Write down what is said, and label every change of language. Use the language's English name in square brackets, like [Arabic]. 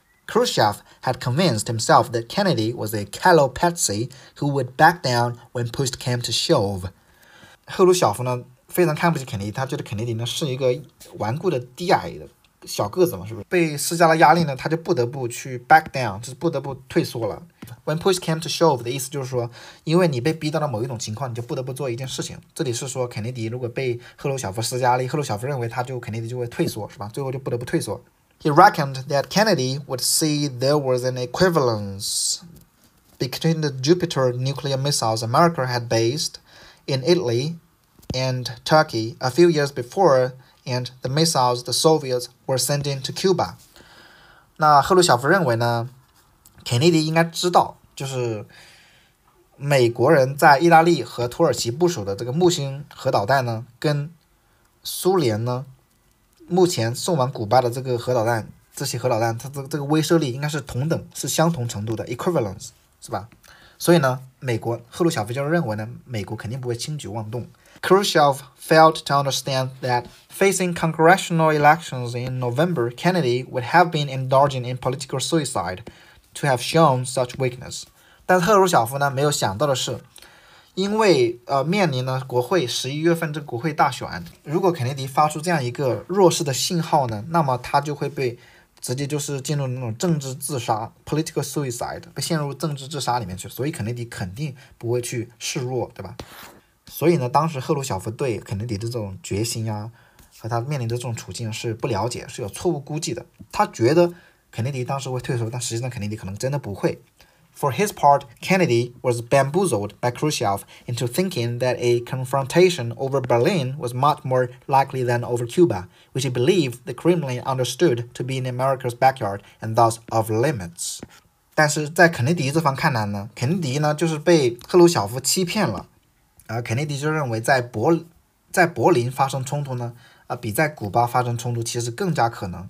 [English] Khrushchev had convinced himself that Kennedy was a callow patsy who would back down when push came to shove. [Chinese] 赫鲁晓夫呢？非常看不起肯尼迪，他觉得肯尼迪呢是一个顽固的低矮的小个子嘛，是不是被施加了压力呢，他就不得不去 [English] back down， [Chinese] 就是不得不退缩了。 [English] When push came to shove [Chinese] 的意思就是说，因为你被逼到了某一种情况，你就不得不做一件事情。这里是说肯尼迪如果被赫鲁晓夫施加压力，赫鲁晓夫认为他就肯尼迪就会退缩是吧，最后就不得不退缩。 [English] He reckoned that Kennedy would see there was an equivalence between the Jupiter nuclear missiles America had based in Italyand Turkey a few years before and the missiles the Soviets were sending to Cuba. [Chinese] 那赫鲁晓夫认为呢，肯尼迪应该知道，就是美国人在意大利和土耳其部署的这个木星核导弹呢，跟苏联呢目前送往古巴的这个核导弹，这些核导弹它的这个威慑力应该是同等，是相同程度的 equivalence 是吧。所以呢，美国赫鲁晓夫就认为呢，美国肯定不会轻举妄动。 [English] Khrushchev failed to understand that facing congressional elections in November, Kennedy would have been indulging in political suicide to have shown such weakness. [Chinese] 但赫鲁晓夫呢没有想到的是，因为面临呢国会十一月份这国会大选，如果肯尼迪发出这样一个弱势的信号呢，那么他就会被直接就是进入那种政治自杀 [English] political suicide， [Chinese] 被陷入政治自杀里面去，所以肯尼迪肯定不会去示弱，对吧？所以呢，当时赫鲁晓夫对肯尼迪的这种决心啊，和他面临的这种处境是不了解，是有错误估计的。他觉得肯尼迪当时会退缩，但实际上肯尼迪可能真的不会。 [English] For his part, Kennedy was bamboozled by Khrushchev into thinking that a confrontation over Berlin was much more likely than over Cuba, which he believed the Kremlin understood to be in America's backyard and thus off limits. [Chinese] 但是在肯尼迪这方看来呢，肯尼迪呢就是被赫鲁晓夫欺骗了。肯尼迪就认为在柏林发生冲突呢，比在古巴发生冲突其实更加可能。